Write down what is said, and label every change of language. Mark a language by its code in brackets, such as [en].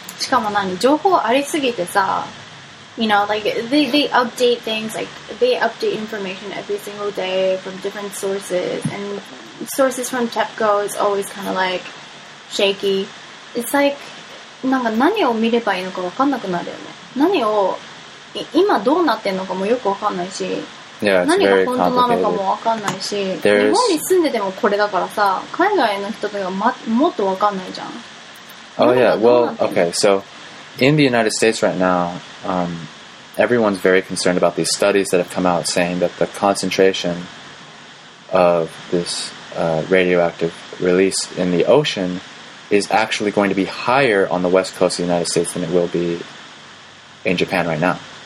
[ja] しかも何、情報ありすぎてさ、 [en] you know, like they update things, like they update information every single day from different sources, and sources from TEPCO is always kind of like shaky. It's like [ja] なんか何を見ればいいのか分かんなくなるよね。何を今どうなってんのかもよく分かんないし。 [en] Yeah, it's very complicated. [ja] 何が本当なのかも分かんないし、日本に住んでてもこれだからさ、海外の人とか、もっと分かんないじゃん。 [en] Oh yeah, well, okay, so in the United States right now, everyone's very concerned about these studies that have come out saying that the concentration of this radioactive release in the ocean is actually going to be higher on the west coast of the United States than it will be in Japan right now.